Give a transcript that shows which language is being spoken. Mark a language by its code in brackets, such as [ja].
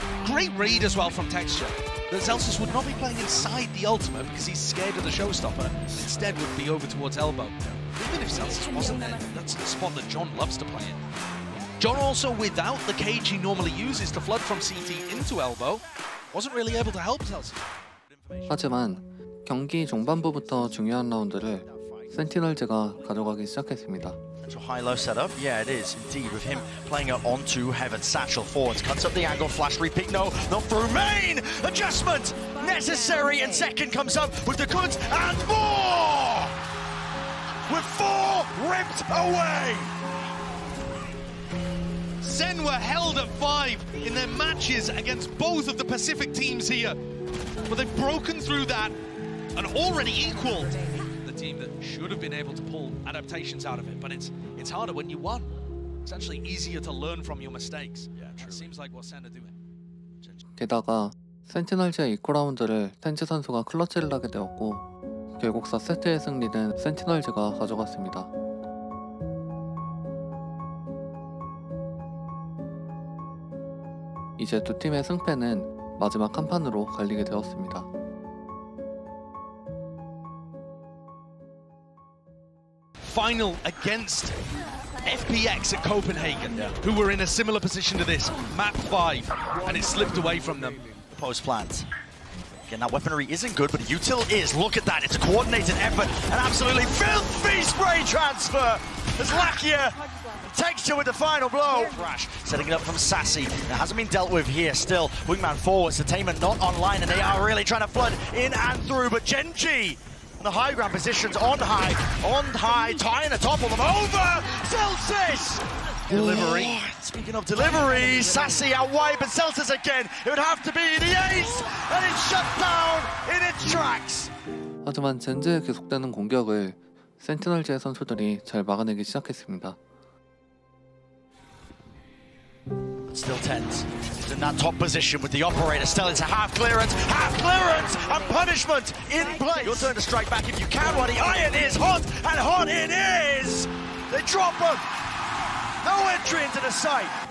[en] Great read as well from Texture, that Zelsis would not be playing inside the ultimate because he's scared of the showstopper, and instead would be over towards elbow. Even if Zelsis wasn't there, that's the spot that John loves to play in. John also, without the cage he normally uses to flood from CT into elbow, wasn't really able to help us. [ko] 하지만 경기 중반부부터 중요한 라운드를 센티널즈가 가져가기 시작했습니다. [en] It's a high-low setup. Yeah, it is indeed. With him playing it onto Heaven. Satchel forwards, cuts up the angle, flash repeat. No, not through main. Adjustment necessary. And second comes up with the goods and more. With four ripped away. Zen were held at five in their matches against both of the Pacific teams here. But they've broken through that and already equaled. The team that should have been able to pull adaptations out of it, but it's harder when you won. It's actually easier to learn from your mistakes. Yeah, it seems like what Zen are doing. [ko] 게다가 센티널즈의 2라운드를 텐즈 선수가 클러치를 하게 되었고 결국 4세트의 승리는 센티널즈가 가져갔습니다. 이제 두 팀의 승패는 마지막 한 판으로 갈리게 되었습니다. [en] 파이널 against FPX at Copenhagen, who were in a similar position to this, map 5, and it slipped away from them. Post plant. Again, that weaponry isn't good, but util is. Look at that, it's a coordinated effort, an absolutely filthy spray transfer as Lakia takes you with the final blow. Crash, setting it up from Sassy. It hasn't been dealt with here still. Wingman forwards, Attainment not online, and they are really trying to flood in and through, but Gen.G on the high ground positions, on high, tying the top of them over, Celsius! Delivery. Oh, speaking of delivery, Sassy out wide, but Celsius again. It would have to be the ace, and it's shut down in its tracks. [ko] 하지만 젠즈의 계속되는 공격을 센티널즈의 선수들이 잘 막아내기 시작했습니다. [en] Still tense. He's in that top position with the operator. Still, it's a half clearance, and punishment in place. Your turn to strike back if you can. While the iron is hot, and hot it is. They drop him. No entry into the sight.